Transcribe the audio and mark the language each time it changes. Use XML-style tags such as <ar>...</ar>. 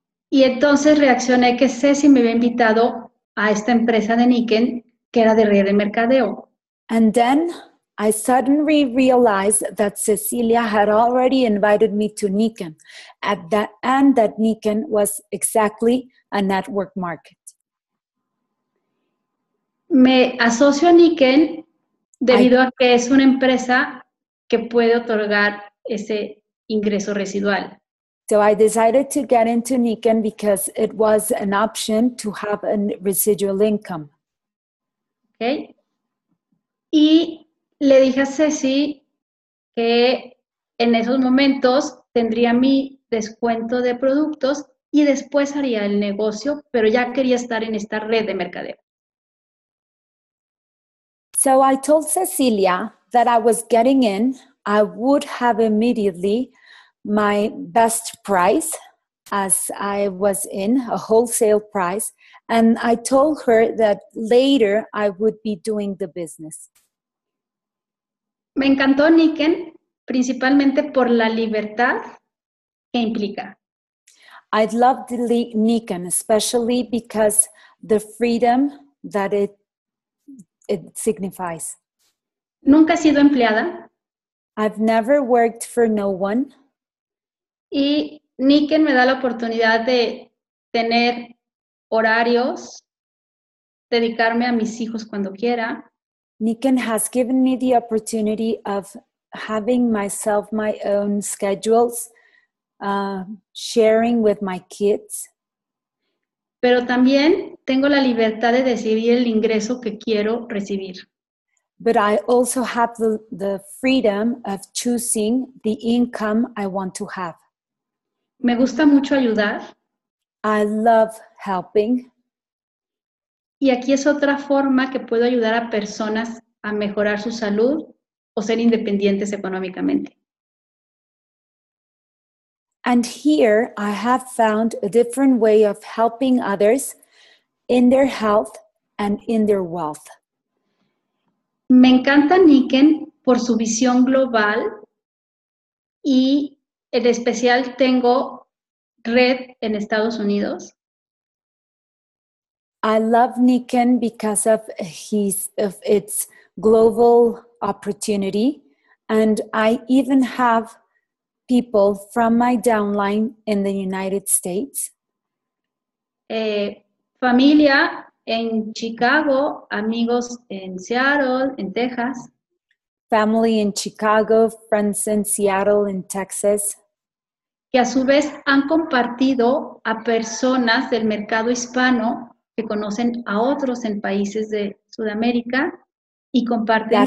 <es>Y entonces reaccioné que Ceci me había invitado a esta empresa de Nikken que era de red de mercadeo.</es> <en>And then I suddenly realized that Cecilia had already invited me to Nikken, and that Nikken was exactly a network market.</en> <es>Me asocio a Nikken debido a que es una empresa que puede otorgar ese ingreso residual.</es> <en>So I decided to get into Nikken because it was an option to have a residual income. Okay.</en> <es>Y le dije a Ceci que en esos momentos tendría mi descuento de productos y después haría el negocio, pero ya quería estar en esta red de mercadeo.</es> <en>So I told Cecilia that I was getting in, I would have immediately my best price as I was in, a wholesale price, and I told her that later I would be doing the business.</en> <es>Me encantó Nikken, principalmente por la libertad que implica.</es> <en>I loved Nikken, especially because the freedom that it signifies.</en> <es>Nunca he sido empleada.</es> <en>I've never worked for no one.</en> <es>Y Nikken me da la oportunidad de tener horarios, dedicarme a mis hijos cuando quiera.</es> <en>Nikken has given me the opportunity of having myself my own schedules, sharing with my kids.</en> <es>Pero también tengo la libertad de decidir el ingreso que quiero recibir.</es> <en>But I also have the freedom of choosing the income I want to have.</en> <es>Me gusta mucho ayudar.</es> <en>I love helping.</en> <es>Y aquí es otra forma que puedo ayudar a personas a mejorar su salud o ser independientes económicamente.</es> <en>And here I have found a different way of helping others in their health and in their wealth.</en> <es>Me encanta Nikken por su visión global y en especial tengo red en Estados Unidos.</es> <en>I love Nikken because of its global opportunity, and I even have people from my downline in the United States.</en> <es>Familia en Chicago, amigos en Seattle, en Texas.</es> <en>Family in Chicago, friends in Seattle, in Texas.</en> <es>Que a su vez han compartido a personas del mercado hispano que conocen a otros en países de Sudamérica y comparten.</es>